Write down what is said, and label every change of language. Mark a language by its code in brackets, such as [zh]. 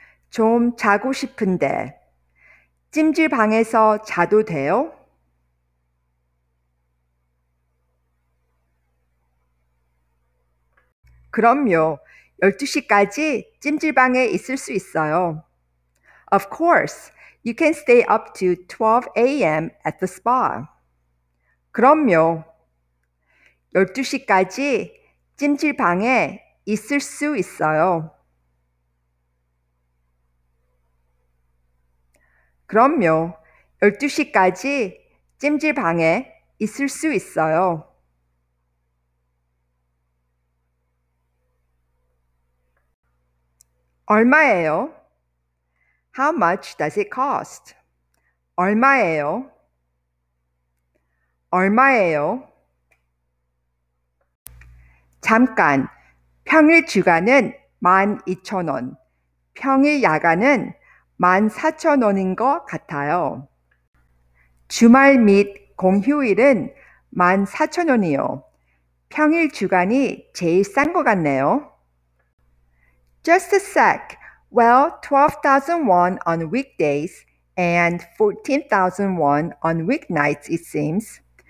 [ko] 좀 자고 싶은데 찜질방에서 자도 돼요? 그럼요. 12시까지 찜질방에 있을 수 있어요. [en] Of course, you can stay up to 12 a.m. at the spa. [ko] 그럼요. 12시까지 찜질방에 있을 수 있어요. 그럼요. 12시까지 찜질방에 있을 수 있어요. 얼마예요? [en] How much does it cost? [ko] 얼마예요? 얼마예요? 잠깐, 평일 주간은 12,000원, 평일 야간은 14,000원인 것 같아요. 주말 및 공휴일은 14,000원이요. 평일 주간이 제일 싼 것 같네요. [en] Just a sec. Well, 12,000 won on weekdays and 14,000 won on weeknights, it seems.